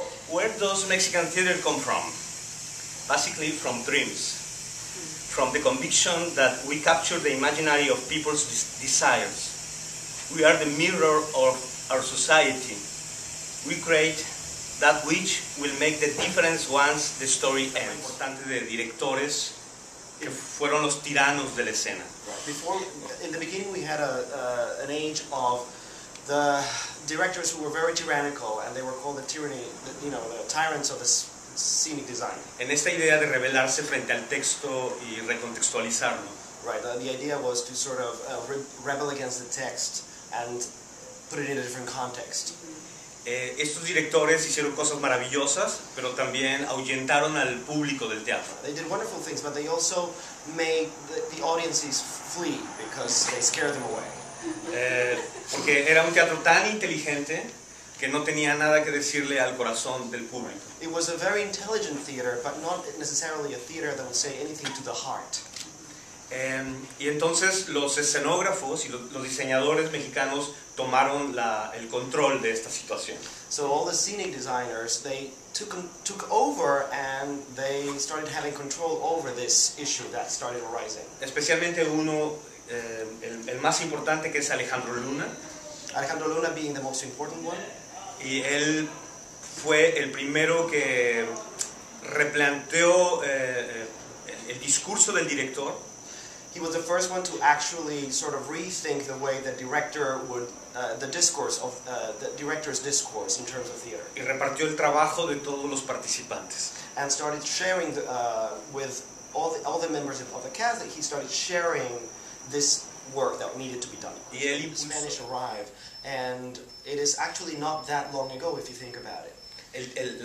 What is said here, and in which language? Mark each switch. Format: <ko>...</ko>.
<en>Where does Mexican theater come from? Basically from dreams, from the conviction that we capture the imaginary of people's desires. We are the mirror of our society. We create that which will make the difference once the story ends.</en> <es>Muy importante de directores que fueron los tiranos de la escena.</es> <en>Before, in the beginning we had an age of the directors who were very tyrannical, and they were called the tyrants of the scenic design.</en> <es>En esta idea de rebelarse frente al texto y recontextualizarlo.</es> <en>Right, the idea was to sort of rebel against the text and put it in a different context.</en> <es>Estos directores hicieron cosas maravillosas, pero también ahuyentaron al público del teatro.</es> <en>They did wonderful things, but they also made the audiences flee because they scared them away.</en> <es>Porque era un teatro tan inteligente que no tenía nada que decirle al corazón del público.</es> <en>It was a very intelligent theater, but not necessarily a theater that would say anything to the heart.</en> <es>Y entonces los escenógrafos y los diseñadores mexicanos tomaron el control de esta situación.</es> <en>So all the scenic designers, they took over and they started having control over this issue that started arising.</en> <es>Especialmente uno, el más importante, que es Alejandro Luna.</es> <en>Alejandro Luna being the most important one.</en> <es>Y él fue el primero que replanteó el discurso del director.</es> <en>He was the first one to actually sort of rethink the way the director would, the discourse of, the director's discourse in terms of theater.</en> <es>Y repartió el trabajo de todos los participantes.</es> <en>And started sharing with all the members of the cast, he started sharing this work that needed to be done.</en> <es>Y él impuso.</es> <en>Spanish arrived, and it is actually not that long ago if you think about it.</en>